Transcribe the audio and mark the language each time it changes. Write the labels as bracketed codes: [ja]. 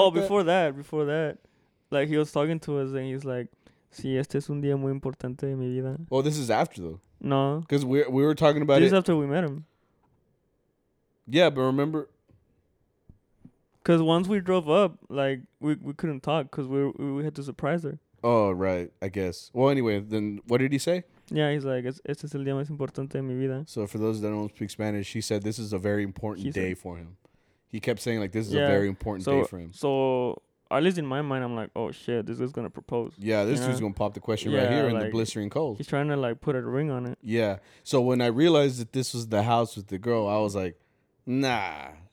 [en] Oh, before that. Like, he was talking to us, and he's like, [es] sí, este es un día muy importante de mi vida. [en] Well, this is after, though. No. Because we were talking about this after we met him. Yeah, but remember. Because once we drove up, like, we couldn't talk because we had to surprise her. Oh, right. I guess. Well, anyway, then what did he say? Yeah, he's like, [es] este es el día más importante de mi vida. [en] So for those that don't speak Spanish, he said this is a very important day for him. He kept saying, like, this is a very important day for him. So, at least in my mind, I'm like, oh, shit, this is going to propose. Yeah, this dude's going to pop the question right here in the blistering cold. He's trying to, like, put a ring on it. Yeah. So, when I realized that this was the house with the girl, I was like, nah.